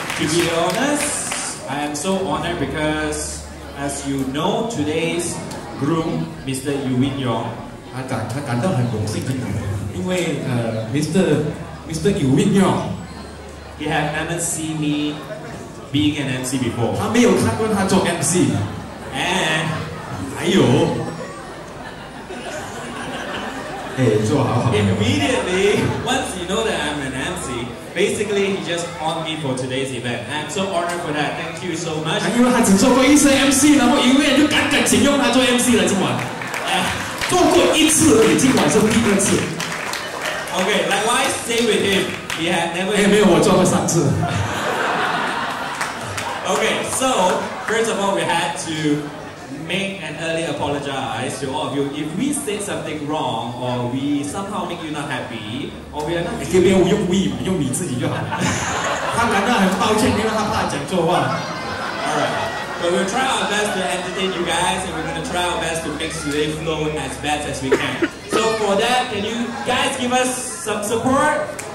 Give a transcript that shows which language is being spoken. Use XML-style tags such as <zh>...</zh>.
<en>be honest, I am so honored because, as you know, today's groom, Mr. Yuwin Yong.</en> <zh>他感到很荣幸，因为 Mr.</zh> <en>Yuwin Yong, he had never seen me being an MC before.</en> <zh>他没有看过他做 MC.</zh> <en>And</en> <zh>还有</zh> <en>immediately, once you know that I'm an MC, basically he just honored me for today's event. I'm so honored for that. Thank you so much.</en> <zh>因为他只做过一次 MC, 然后永远就敢请用他做 MC 了，今晚做过一次，今晚是第二次。</zh> <en>Okay, likewise, stay with him. He had never.</en> <zh>没有，我做过三次。</zh> <en>Okay, so first of all, we had to make an early apologize to all of you. If we say something wrong, or we somehow make you not happy, or we are not.</en> <zh>你可以不用 we 嘛，用你自己就好。他感到很抱歉，因为他怕讲错话。</zh> <en>Alright, but we'll try our best to entertain you guys, and we're gonna try our best to make today flow as best as we can. So for that, can you guys give us some support?</en>